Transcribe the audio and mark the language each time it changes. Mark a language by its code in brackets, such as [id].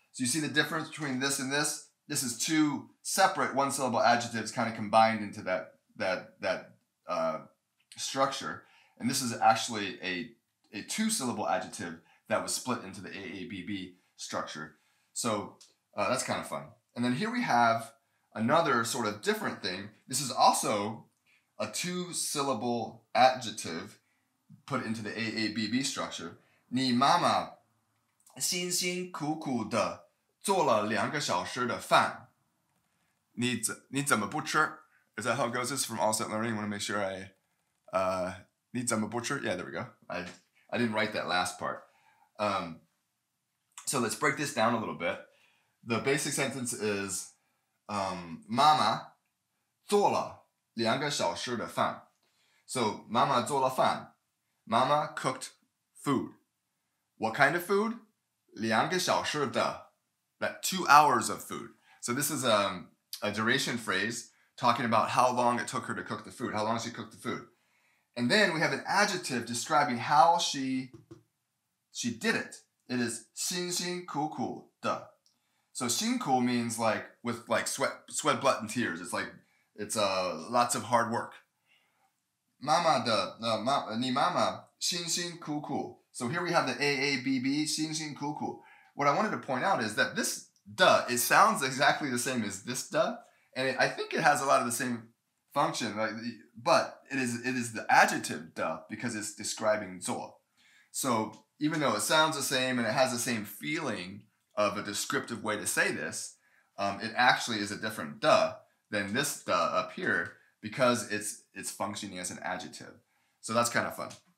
[en] So you see the difference between this and this? This is two separate one-syllable adjectives kind of combined into that structure, and this is actually a two syllable adjective that was split into the AABB structure. So that's kind of fun. And then here we have another sort of different thing. This is also a two syllable adjective put into the AABB structure. [zh] 你妈妈辛辛苦苦的做了两个小时的饭，你怎么不吃？ [en] Is that how it goes? This is from All Set Learning. I want to make sure I need some butcher. Yeah, there we go. I didn't write that last part. So let's break this down a little bit. The basic sentence is, Mama [zh] 做了两个小时的饭. [en] So Mama [zh] 做了饭. [en] Mama cooked food. What kind of food? [zh] 两个小时的. [en] That 2 hours of food. So this is a duration phrase. Talking about how long it took her to cook the food, how long she cooked the food. And then we have an adjective describing how she did it. It is [zh] 辛辛苦苦的. [en] So 辛苦 means like with like sweat, blood, and tears. It's like it's lots of hard work. [zh] 妈妈的, 你妈妈辛辛苦苦. [en] So here we have the AABB, 辛辛苦苦. What I wanted to point out is that this de, it sounds exactly the same as this de. And I think it has a lot of the same function, but it is the adjective da because it's describing zuo. So even though it sounds the same and it has the same feeling of a descriptive way to say this, it actually is a different da than this da up here because it's functioning as an adjective. So that's kind of fun.